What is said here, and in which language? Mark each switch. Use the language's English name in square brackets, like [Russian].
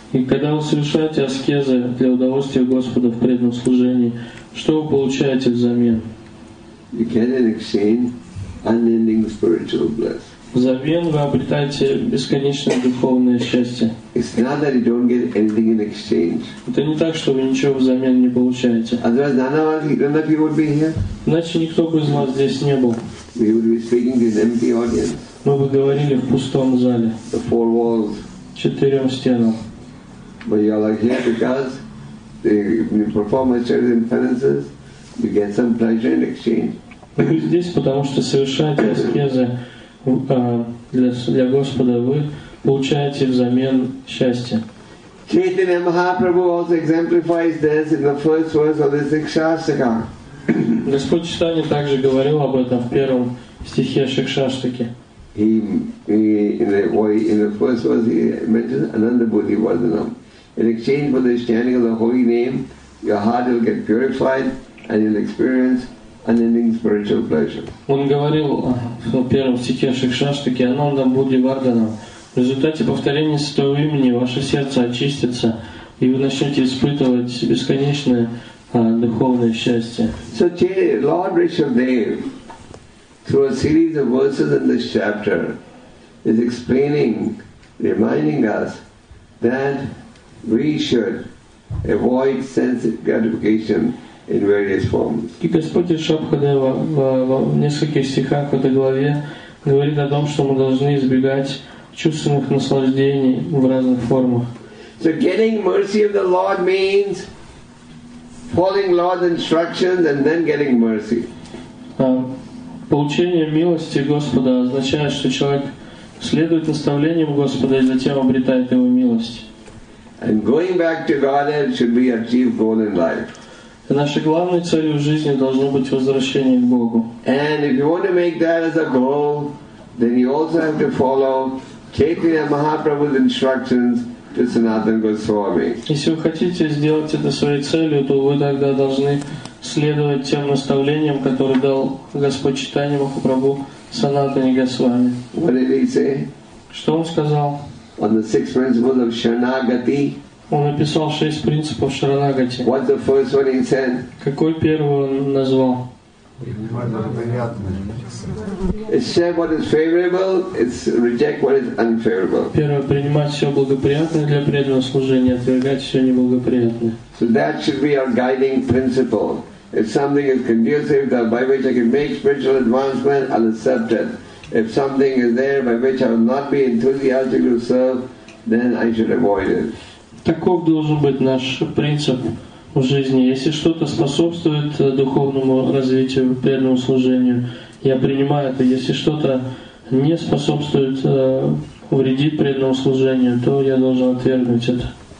[Russian] И когда вы совершаете аскезы для удовольствия Господа в преданном служении, что вы получаете взамен? [English] You get in exchange unending spiritual bliss. [Russian] Взамен вы обретаете бесконечное духовное счастье. [English] It's not that you don't get anything in exchange. [Russian] Это не так, что вы ничего взамен не получаете. [English] Otherwise, none of you would be here. [Russian] Иначе никто бы из вас здесь не был. [English] We would be speaking to an empty audience. [Russian] Мы бы говорили в пустом зале. [English] The four walls. [Russian] Четырем стенам. [English] But you are here because you perform certain penances, you get some pleasure in exchange. [Russian] Вы здесь, потому что совершаете аскезы. Для Господа вы получаете взамен счастье. [English] Chaitanya Mahaprabhu also exemplifies this in the first verse of this Shikshastaka. [Russian] Господь Читания также говорил об этом в первом стихе Шикшаштаки. [English] In the first verse he mentions Ananda Bodhi Vardhanam. In exchange for the understanding of the holy name, your heart will get purified and you'll experience unending spiritual pleasure. [Russian] Он говорил в первом стихе Шикшаштаки Ананда Будди Варданам. В результате повторения святого имени ваше сердце очистится, и вы начнете испытывать бесконечное духовное счастье. [English] So Lord Rishabdev, through a series of verses in this chapter, is explaining, reminding us that we should avoid sense gratification in various forms. [Russian] И Господь Шабхадева в нескольких стихах в этой главе говорит о том, что мы должны избегать чувственных наслаждений в разных формах. [English] So getting mercy of the Lord means following Lord's instructions and then getting mercy. [Russian] Получение милости Господа означает, что человек следует наставлениям Господа и затем обретает Его милость. [English] And going back to Godhead should be a chief goal in life. [Russian] Нашей главной целью в жизни должно быть возвращение к Богу. [English] And if you want to make that as a goal, then you also have to follow Chaitanya Mahaprabhu's instructions to Sanatana Goswami. [Russian] Если вы хотите сделать это своей целью, то вы тогда должны следовать тем наставлениям, которые дал Господь Чайтанья Махапрабху Санатане Госвами. [English] What did he say? [Russian] Что он сказал? [English] On the six principles of Sharanagati. [Russian] Он написал шесть принципов Шаранагати. [English] What the first one he said? [Russian] Какой первый он назвал? [English] Accept what is favorable, it's reject what is unfavorable. [Russian] Первое — принимать все благоприятное для преданного служения, отвергать все неблагоприятное. [English] So that should be our guiding principle. If something is conducive that by which I can make spiritual advancement, I'll accept it. If something is there by which I will not be enthusiastic to serve, then I should avoid it. [Russian] Таков должен быть наш принцип в жизни. Если что-то способствует духовному развитию, преданному служению, я принимаю это. Если что-то не способствует, вредит преданному служению, то я должен отвергнуть это.